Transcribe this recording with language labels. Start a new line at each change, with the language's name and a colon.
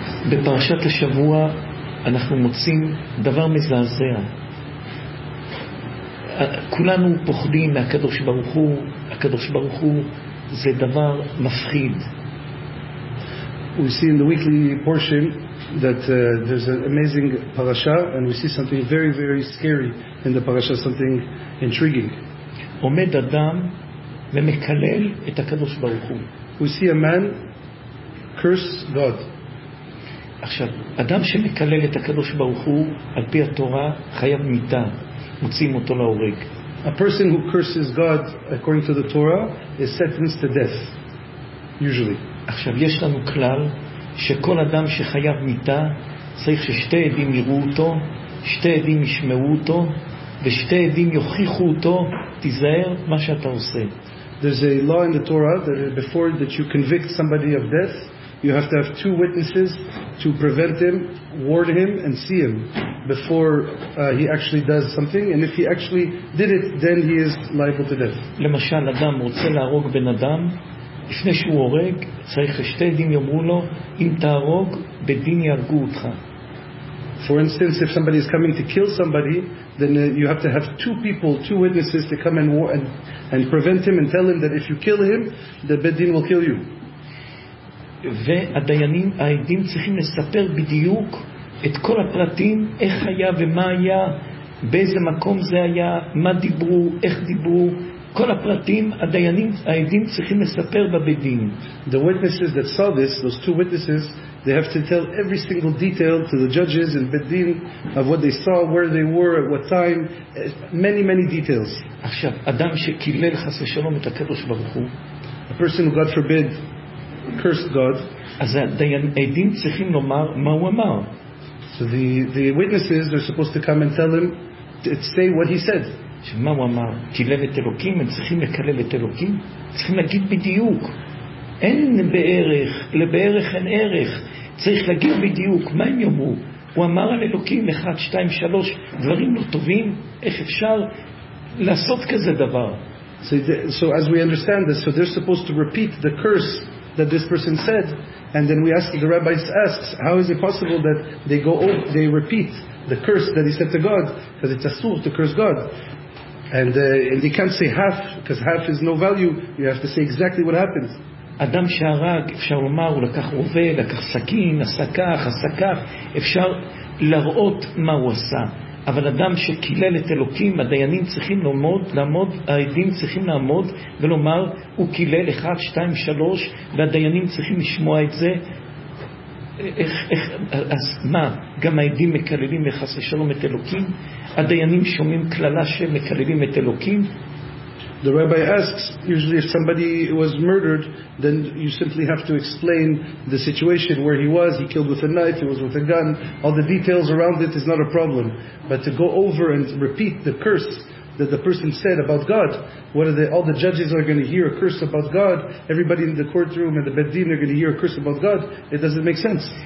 Hebrew: בפרשת השבוע אנחנו מוצאים דבר מזעזע. כולנו פוחדים מהקדוש ברוך הוא. הקדוש ברוך הוא זה דבר מפחיד.
English: We see in the weekly portion that there's an amazing parasha, and we see something very very scary in the parasha, something intriguing.
Hebrew: עומד אדם ומקלל את הקדוש ברוך הוא.
English: We see a man curse God.
Hebrew: עכשיו, אדם שמקלל את הקדוש ברוך הוא על פי התורה חייב מיתה, מוצאים אותו להורג.
English: A person who curses God according to the Torah is sentenced to death usually.
Hebrew: עכשיו, יש לנו כלל שכל אדם שחייב מיתה צריך ששתי עדים יראו אותו, שתי עדים ישמעו אותו, ושתי עדים יוכיחו אותו, תיזהר מה שאתה עושה.
English: There's a law in the Torah that before that you convict somebody of death, you have to have two witnesses to prevent him, warn him and see him before he actually does something, and if he actually did it then he is liable to death.
Hebrew: למשל, אדם רוצה להרוג בן אדם, לפני שהוא הורג צריך שתי עדים יאמרו לו, אם תהרוג בדין יהרגו אותך.
English: For instance, if somebody is coming to kill somebody, then you have to have two people, two witnesses to come and prevent him and tell him that if you kill him the bedin will kill you.
Hebrew: והדיינים, העדים צריכים לספר בדיוק את כל הפרטים, איך היה ומה היה, באיזה מקום זה היה, מה דיברו, איך דיברו, כל הפרטים הדיינים, העדים צריכים לספר בבדים.
English: The witnesses that saw this, those two witnesses, they have to tell every single detail to the judges and בדים of what they saw, where they were, at what time, many many details.
Hebrew: עכשיו, אדם שקילל חס ושלום את הקדוש ברוך הוא,
English: a person who God forbid cursed God,
Hebrew: אז העדים צריכים לומר מה הוא אמר.
English: So the witnesses are supposed to come and tell him to say what he said.
Hebrew: שמה הוא אמר? קילל את אלוקים? הם צריכים לקלל את אלוקים? צריכים להגיד בדיוק. אין בערך, לבערך אין ערך. צריך להגיד בדיוק. מה הם יאמרו? הוא אמר על אלוקים 1, 2, 3 דברים לא טובים? איך אפשר לעשות כזה דבר?
English: So as we understand this, so they're supposed to repeat the curse that this person said, and then we ask, the rabbis asks, how is it possible that they repeat the curse that he said to God, because it's asur to curse God. And you can't say half, because half is no value. You have to say exactly what happens.
Hebrew: אדם שהרג, אפשר לומר, הוא לקח רובה, לקח סכין, עשה כך, אפשר לראות מה הוא עשה. אבל אדם שקילל את אלוקים, הדיינים צריכים לעמוד, העדים צריכים לעמוד ולומר, הוא קילל 1, 2, 3, והדיינים צריכים לשמוע את זה. איך, אז מה? גם העדים מקללים יחס לשלום את אלוקים? הדיינים שומעים כללה שמקללים את אלוקים?
English: The rabbi asks, usually if somebody was murdered, then you simply have to explain the situation, where he was, he killed with a knife, he was with a gun, all the details around it is not a problem. But to go over and repeat the curse that the person said about God, what are all the judges are going to hear a curse about God, everybody in the courtroom and the Bet Din are going to hear a curse about God, it doesn't make sense.